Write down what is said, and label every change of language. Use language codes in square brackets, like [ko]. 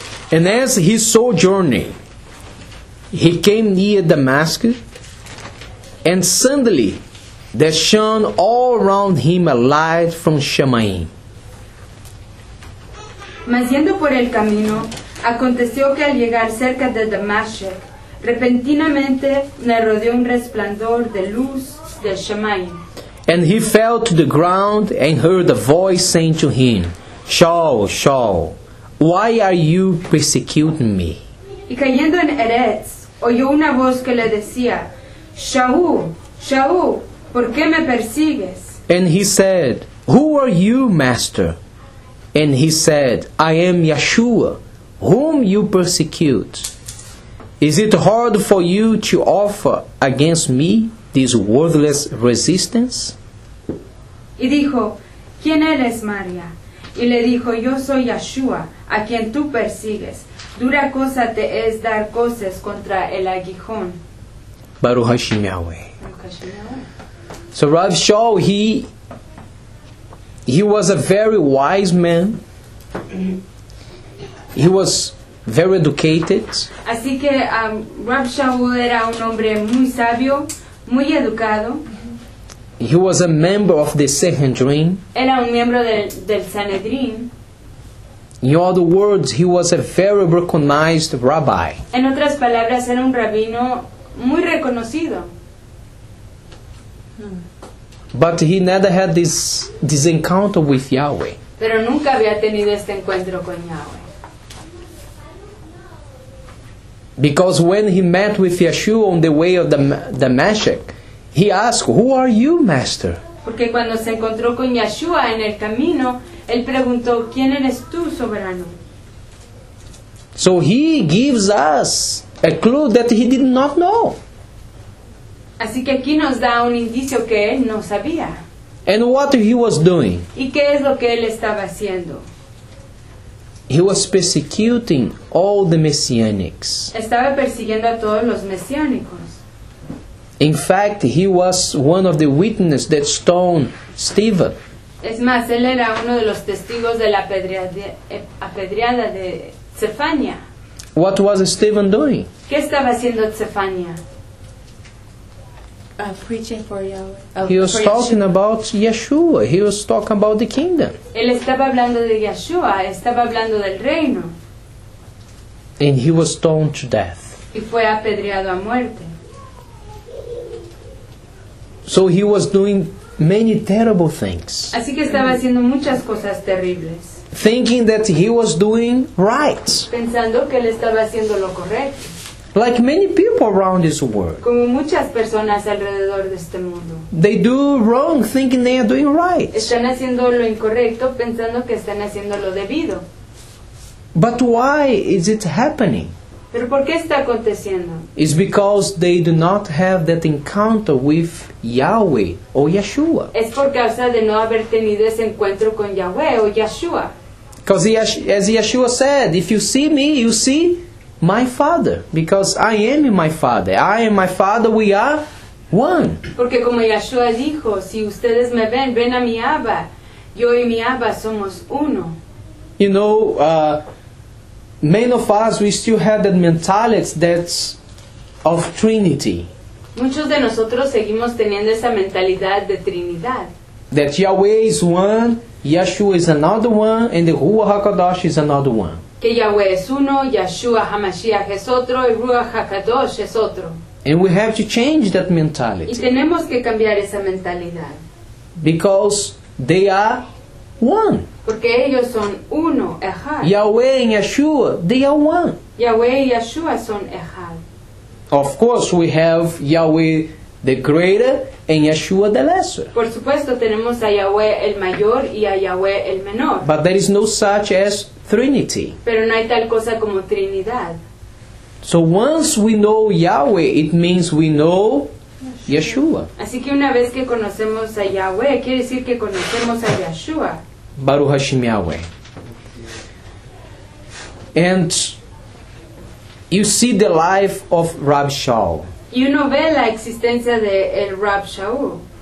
[en] And as he sojourned, he came near Damascus, and suddenly there shone all around him a light from Shemaim. [es] Mas yendo por el camino, aconteció que al llegar cerca de Damasco, repentinamente le rodeó un resplandor de luz del Shemaim. [en] And he fell to the ground and heard a voice saying to him, Shaul, Shaul, why are you persecuting me? [es] Y cayendo en Eretz, oyó una voz que le decía, Shaul, Shaul, ¿por qué me persigues? [en] And he said, Who are you, Master? And he said, I am Yeshua, whom you persecute. Is it hard for you to offer against me this worthless resistance? [es] Y dijo, ¿quién eres, María? Y le dijo, yo soy Yeshua, a quien tú persigues. Dura cosa te es dar cosas contra el aguijón. [he] Baruch Hashem Yahweh. [en] So Rav Shaul, he was a very wise man. He was very educated. [es] Así que Rav Shaul era un hombre muy sabio, muy educado. [en] He was a member of the Sanhedrin. [es] Era un miembro del Sanhedrin. [en] In other words, he was a very recognized rabbi. [es] En otras palabras, era un rabino muy reconocido. [en] But he never had this encounter with Yahweh. [es] Pero nunca había tenido este encuentro con Yahweh. [en] Because when he met with Yeshua on the way of Damascus, he asked, Who are you, Master? [es] Porque cuando se encontró con Yeshua en el camino, él preguntó, ¿Quién eres tú, soberano? [en] So he gives us a clue that he did not know. [es] Así que aquí nos da un indicio que él no sabía. [en] And what he was doing? [es] ¿Y qué es lo que él estaba haciendo? [en] He was persecuting all the messianics. [es] Estaba persiguiendo a todos los mesiánicos. [en] In fact, he was one of the witnesses that stoned Stephen. [es] Es más, él era uno de los testigos de la apedreada de Cefania. [en] What was Stephen doing? [es] ¿Qué estaba haciendo Cefania? [en] Preaching for Yahweh. He was talking about Yeshua. He was talking about the kingdom. [es] Él estaba hablando de Yeshua. Estaba hablando del reino. [en] And he was stoned to death. [es] Y fue apedreado a muerte. [en] So he was doing many terrible things. [es] Así que estaba haciendo muchas cosas terribles. [en] Thinking that he was doing right. [es] Pensando que él estaba haciendo lo correcto. [en] Like many people around this world. [es] Como muchas personas alrededor de este mundo. [en] They do wrong thinking they are doing right. [es] Están haciendo lo incorrecto pensando que están haciendo lo debido. [en] But why is it happening? [es] Pero ¿por qué está aconteciendo? [en] It's because they do not have that encounter with Yahweh or Yeshua. [es] Es por causa de no haber tenido ese encuentro con Yahweh o Yeshua. [en] Because as Yeshua said, if you see me, you see my Father. Because I am my Father. I am my Father, we are one. [es] Porque como Yeshua dijo, si ustedes me ven, ven a mi Abba. Yo y mi Abba somos uno. [en] You know, many of us, we still have that mentality that's of Trinity. [es] Muchos de nosotros seguimos teniendo esa mentalidad de Trinidad. [en] That Yahweh is one, Yeshua is another one, and the Ruach HaKadosh is another one. [es] Que Yahweh es uno, Yeshua HaMashiach es otro, y Ruach HaKadosh es otro. [en] And we have to change that mentality. [es] Y tenemos que cambiar esa mentalidad. [en] Because they are one. [es] Porque ellos son uno, Echad. [en] Yahweh and Yeshua, they are one. [es] Yahweh y Yeshua son Echad. [en] Of course, we have Yahweh the greater and Yeshua the lesser. [es] Por supuesto, tenemos a Yahweh el mayor y a Yahweh el menor. [en] But there is no such as Trinity. [es] Pero no hay tal cosa como Trinidad. [en] So once we know Yahweh, it means we know Yeshua. [es] Así que una vez que conocemos a Yahweh, quiere decir que conocemos a Yeshua. [he] Baruch Hashem Yahweh. [en] And you see the life of Rab Shaul. [es] Y uno ve la existencia de el Rab Shaul.